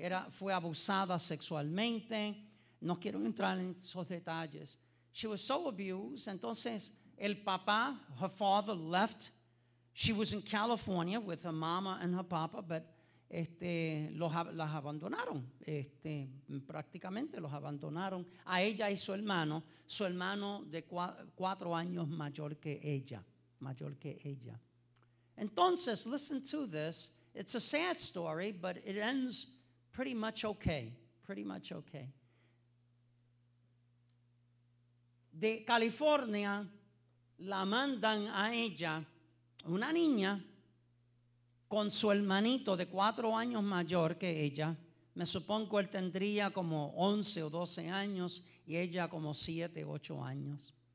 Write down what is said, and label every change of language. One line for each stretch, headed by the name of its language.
Spanish: Fue abusada sexualmente. No quiero entrar en esos detalles.
English: She was so abused.
Spanish: Entonces, El papá,
English: her father, left. She was in California with her mama and her papa, but
Spanish: las abandonaron. Prácticamente los abandonaron. A ella y su hermano de 4 años mayor que ella, mayor que ella.
English: Entonces, listen to this. It's a sad story, but it ends pretty much okay. Pretty much okay.
Spanish: De California, la mandan a ella, una niña, con su hermanito de 4 años mayor que ella. Me supongo él tendría como 11 o 12 años y ella como 7, 8 años.